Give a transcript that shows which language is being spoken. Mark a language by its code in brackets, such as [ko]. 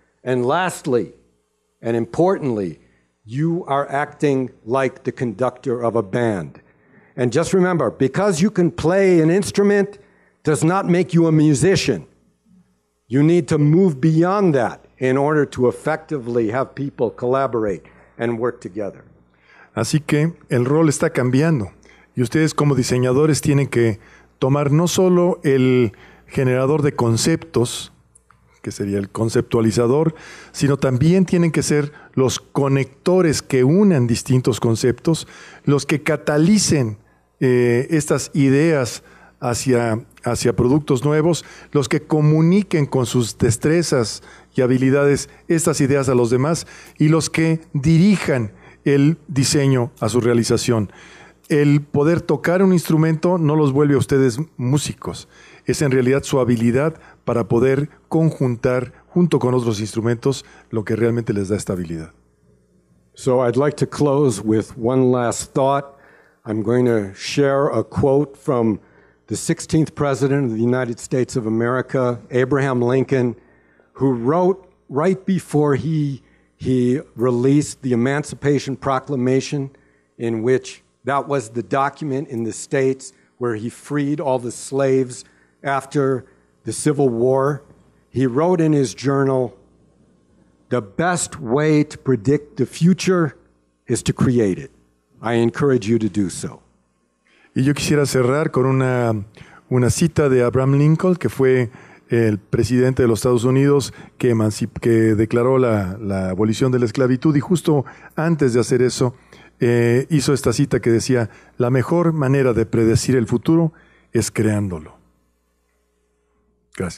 [en] And lastly, and importantly, you are acting like the conductor of a band. And just remember, because you can play an instrument does not make you a musician. You need to move beyond that in order to effectively have people collaborate and work together. [es] Así que el rol está cambiando, y ustedes como diseñadores tienen que tomar no solo el generador de conceptos, que sería el conceptualizador, sino también tienen que ser los conectores que unan distintos conceptos, los que catalicen estas ideas hacia productos nuevos, los que comuniquen con sus destrezas y habilidades estas ideas a los demás, y los que dirijan el diseño a su realización. El poder tocar un instrumento no los vuelve a ustedes músicos. Es en realidad su habilidad para poder conjuntar junto con otros instrumentos lo que realmente les da estabilidad. [en] So I'd like to close with one last thought. I'm going to share a quote from the 16th President of the United States of America, Abraham Lincoln, who wrote right before he released the Emancipation Proclamation, in which that was the document in the states where he freed all the slaves after the Civil War. He wrote in his journal, "The best way to predict the future is to create it. I encourage you to do so." [es] Y yo quisiera cerrar con una cita de Abraham Lincoln, que fue el presidente de los Estados Unidos que declaró la abolición de la esclavitud, y justo antes de hacer eso hizo esta cita que decía: la mejor manera de predecir el futuro es creándolo. Gracias.